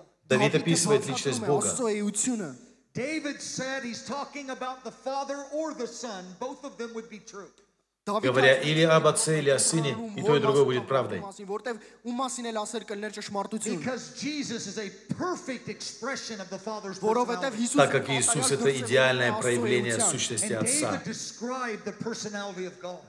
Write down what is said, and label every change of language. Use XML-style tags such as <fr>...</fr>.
<ru>Давид описывает личность Бога.</ru> <en>David said he's talking about the Father or the Son. Both of them would be true.</en> <ru>Говоря или об отце, или о сыне, и то, и другое будет правдой. Так как Иисус — это идеальное проявление сущности Отца.</ru>